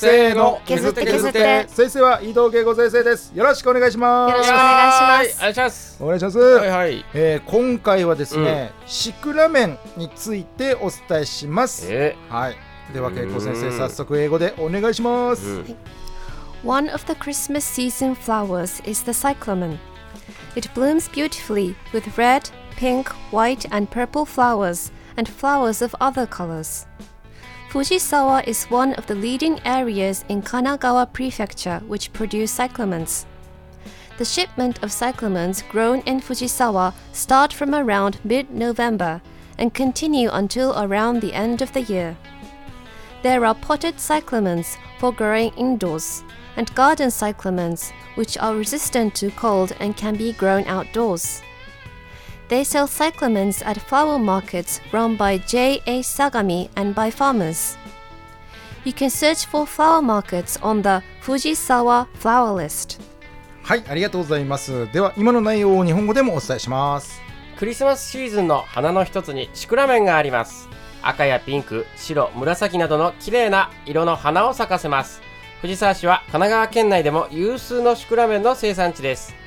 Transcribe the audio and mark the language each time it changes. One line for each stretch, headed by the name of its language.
Japanese: せーの、削って削って。先生は伊藤敬吾先生です。よろしくお願いします。よろしくお願いします。お願いします。お願いします、はいはい。今回はですね、シクラメンについてお伝えします。はい、では敬吾先生、早速英語でお願いします。
English: One of the Christmas season flowers is the cyclamen. It blooms beautifully with red, pink, white, and purple flowers, and flowers of other colors. Fujisawa is one of the leading areas in Kanagawa Prefecture which produce cyclamens. The shipment of cyclamens grown in Fujisawa start from around mid-November and continue until around the end of the year. There are potted cyclamens for growing indoors. And garden cyclamens, which are resistant to cold and can be grown outdoors. They sell cyclamens at flower markets run by J.A. Sagami and by farmers. You can search for flower markets on the Fujisawa flower list.
Japanese: はい、ありがとうございます。では今の内容を日本語でもお伝えします。クリスマスシーズンの花の一つにシクラメンがあります。赤やピンク、白、紫などの綺麗な色の花を咲かせます。藤沢市は神奈川県内でも有数のシクラメンの生産地です。